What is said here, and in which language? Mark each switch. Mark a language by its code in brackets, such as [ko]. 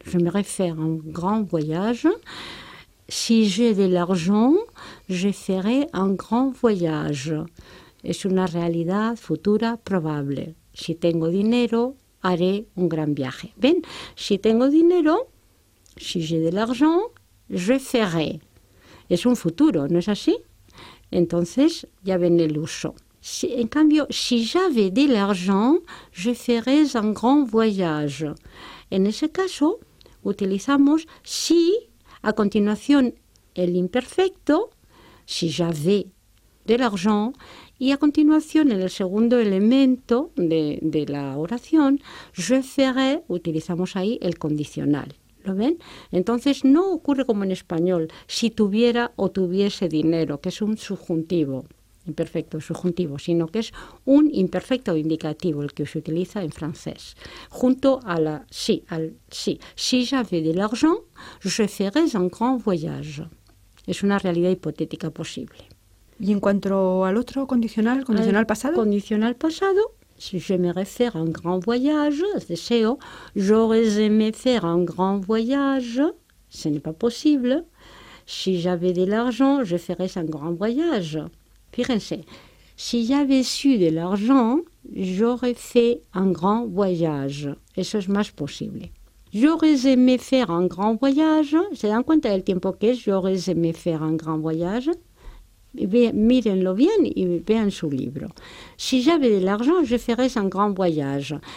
[fr] Je aimerais faire un grand voyage. Si j'ai de l'argent, je ferai un grand voyage. [es] Es una realidad futura probable. Si tengo dinero, haré un gran viaje. ¿Ven? Si tengo dinero, [fr] si j'ai de l'argent, je ferai. [es] Es un futuro, ¿no es así? Entonces, ya ven el uso. Si, en cambio, [fr] si j'avais de l'argent, je ferais un grand voyage. [es] En ese caso, utilizamos si, a continuación, el imperfecto, [fr] si j'avais de l'argent, [es] y a continuación, en el segundo elemento de la oración, [fr] je ferai, [es] utilizamos ahí el condicional. ¿Lo ven? Entonces, no ocurre como en español, si tuviera o tuviese dinero, que es un subjuntivo, imperfecto subjuntivo, sino que es un imperfecto indicativo el que se utiliza en francés. Junto a la sí, al sí. [fr] Si j'avais de l'argent, je ferais un grand voyage. [es] Es una realidad hipotética posible. Y en cuanto al otro condicional, condicional pasado. Condicional pasado, [fr] si je aimerais faire un grand voyage, [es] deseo, [fr] j'aurais aimé faire un grand voyage, ce n'est pas possible. Si j'avais de l'argent, je ferais un grand voyage. [es] Fíjense, [fr] si j'avais su de l'argent, j'aurais fait un grand voyage. [es] Eso es más posible. [fr] J'aurais aimé faire un grand voyage, [es] se dan cuenta del tiempo que es, [fr] j'aurais aimé faire un grand voyage. [es] Mírenlo bien y vean su libro. [fr] Si j'avais de l'argent, je ferais un grand voyage.